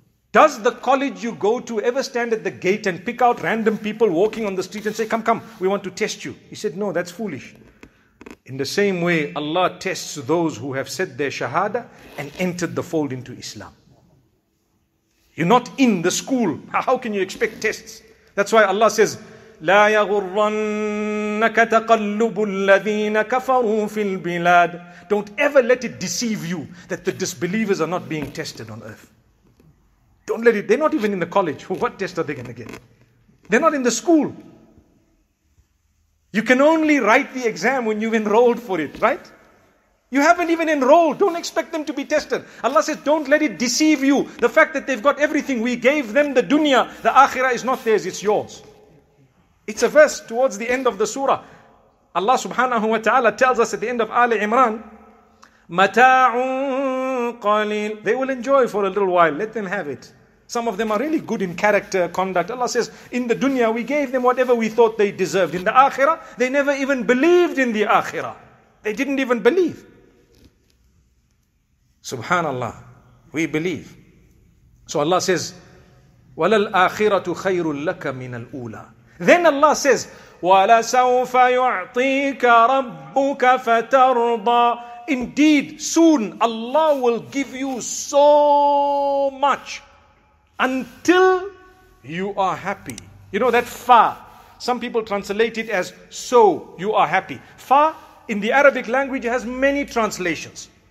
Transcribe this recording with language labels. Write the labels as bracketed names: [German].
[English] Does the college you go to ever stand at the gate and pick out random people walking on the street and say, come, come, we want to test you? He said, no, that's foolish. In the same way, Allah tests those who have said their shahada and entered the fold into Islam. You're not in the school. How can you expect tests? That's why Allah says, [Arabic] لا يغرنك تقلب الذين كفروا في البلاد. [English] Don't ever let it deceive you that the disbelievers are not being tested on earth. Don't let it. They're not even in the college. What test are they going to get? They're not in the school. You can only write the exam when you've enrolled for it, right? You haven't even enrolled. Don't expect them to be tested. Allah says, don't let it deceive you. The fact that they've got everything, we gave them the dunya, the akhirah is not theirs, it's yours. It's a verse towards the end of the surah. Allah subhanahu wa ta'ala tells us at the end of Ali Imran, [Arabic] مَتَاعٌ قَلِيلٌ. [English] They will enjoy for a little while. Let them have it. Some of them are really good in character, conduct. Allah says, in the dunya, we gave them whatever we thought they deserved. In the akhirah, they never even believed in the akhirah. They didn't even believe. Subhanallah. We believe. So Allah says, [Arabic] وَلَا الْآخِرَةُ خَيْرٌ لَكَ مِنَ الْأُولَى. [English] Then Allah says, [Arabic] وَلَسَوْفَ يُعْطِيكَ رَبُّكَ فَتَرْضَى. [English] Indeed, soon Allah will give you so much until you are happy. You know that fa, some people translate it as so you are happy. Fa in the Arabic language has many translations.